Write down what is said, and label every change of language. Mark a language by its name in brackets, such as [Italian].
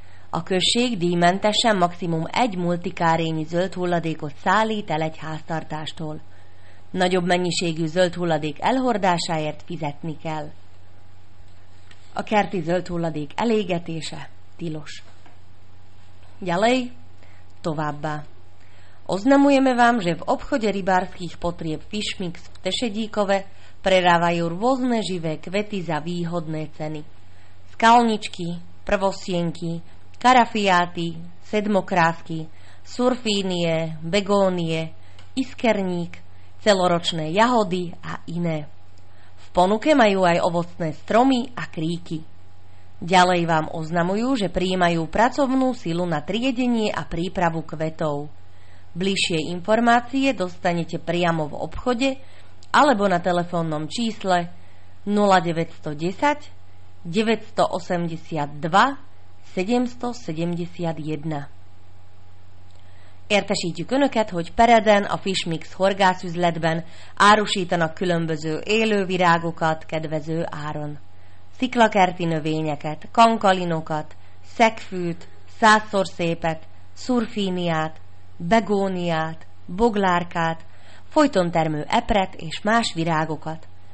[Hungarian] A község díjmentesen maximum 1 multikárényi zöld hulladékot szállít el egy háztartástól. Nagyobb mennyiségű zöld hulladék elhordásáért fizetni kell. A kerti zöld hulladék elégetése tilos. [Slovak] Ďalej, [Hungarian] továbbá. [Slovak] Oznamujeme vám, že v obchode rybárskych potrieb Fishmix v Tešedíkove prerávajú rôzne živé kvety za výhodné ceny. Skalničky, prvosienky, karafiáty, sedmokrásky, surfínie, begónie, iskerník, celoročné jahody a iné. V ponuke majú aj ovocné stromy a kríky. Ďalej vám oznamujú, že prijímajú pracovnú silu na triedenie a prípravu kvetov. Bližšie informácie dostanete priamo v obchode alebo na telefónnom čísle 0910 982 771. [Hungarian] Értesítjük Önöket, hogy Pereden a Fishmix horgászüzletben árusítanak különböző élővirágokat kedvező áron. Sziklakerti növényeket, kankalinokat, szegfűt, százszor szépet, szurfíniát, begóniát, boglárkát, folyton termő epret és más virágokat.